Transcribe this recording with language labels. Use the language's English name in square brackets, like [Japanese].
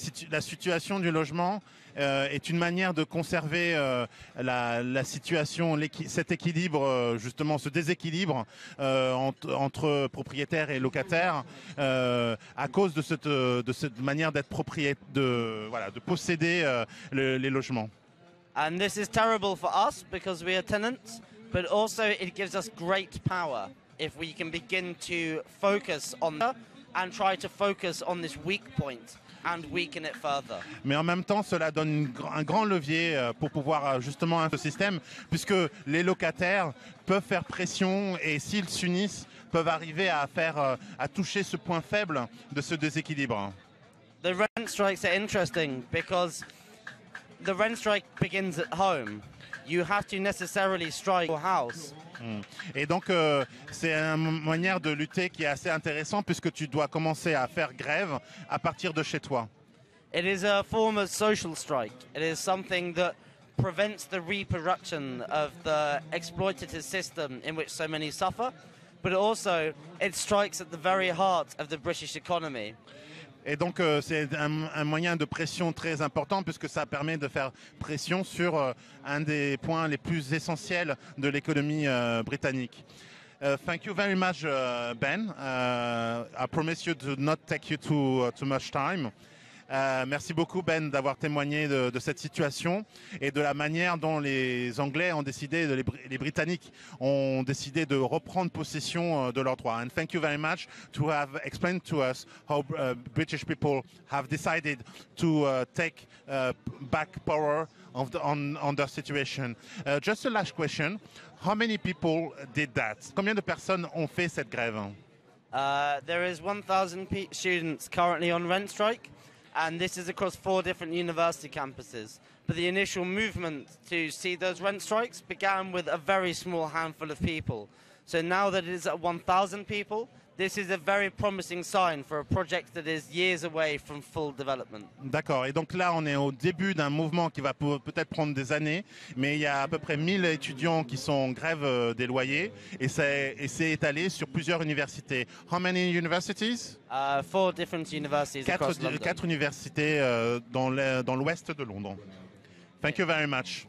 [French] La situation du logement est une manière de conserver la situation, cet équilibre, justement, ce déséquilibre entre propriétaires et locataires à cause de cette manière d'être propriétaire, de posséder les logements. [English] And this is terrible for us because we are tenants, but also it gives us great power if we can begin to focus on and try to focus on this weak point and weaken it further. [French] Mais en même temps, cela donne un grand levier pour pouvoir justement un système, puisque les locataires peuvent faire pression et s'ils s'unissent, peuvent arriver à toucher ce point faible de ce déséquilibre. [English] The rent strikes are interesting because the rent strike begins at home. You have to necessarily strike your house. [French] Et donc, c'est une manière de lutter qui est assez intéressante puisque tu dois commencer à faire grève à partir de chez toi. [English] It is a form of social strike. It is something that prevents the reproduction of the exploitative system in which so many suffer, but also it strikes at the very heart of the British economy. [French] Et donc, c'est un moyen de pression très important puisque ça permet de faire pression sur un des points les plus essentiels de l'économie britannique. [English] Thank you very much, Ben. I promise you to not take you too much time. [French] Merci beaucoup, Ben, d'avoir témoigné de cette situation et de la manière dont les Anglais ont décidé, les Britanniques ont décidé de reprendre possession de leurs droits. [English] And thank you very much to have explained to us how British people have decided to take back power of the, on their situation. Just a last question. How many people did that? [French] Combien de personnes ont fait cette grève? [English] There is 1,000 students currently on rent strike, and this is across four different university campuses. But the initial movement to see those rent strikes began with a very small handful of people. So now that it is at 1,000 people, this is a very promising sign for a project that is years away from full development. [French] D'accord. Et donc là, on est au début d'un mouvement qui va peut-être prendre des années, mais il y a à peu près 1000 étudiants qui sont en grève des loyers et c'est étalé sur plusieurs universités. [English] How many universities? Four different universities across London. [French] Quatre universités dans l'ouest de Londres. [English] Thank you very much.